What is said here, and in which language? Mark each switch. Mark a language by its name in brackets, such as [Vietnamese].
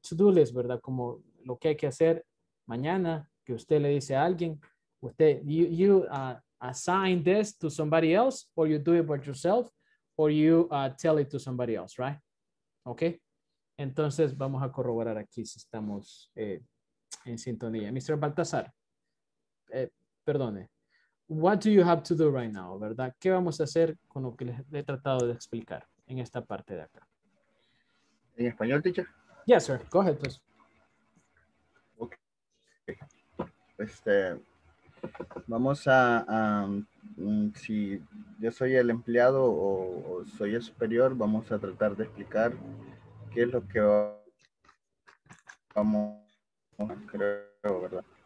[English] To-do list, [Spanish] ¿verdad? Como lo que hay que hacer mañana, que usted le dice a alguien, usted, [English] assign this to somebody else, or you do it by yourself, or you tell it to somebody else, right? Okay. [Spanish] Entonces vamos a corroborar aquí si estamos en sintonía. Mr. Baltazar, perdone. [English] What do you have to do right now, [Spanish] verdad? ¿Qué vamos a hacer con lo que les he tratado de explicar en esta parte de acá? ¿En español, teacher? [English] Yes, sir. Go ahead, please. Okay. [Spanish] Vamos a, si yo soy el empleado o soy el superior, vamos a tratar de explicar qué es lo que vamos a creo, ¿verdad?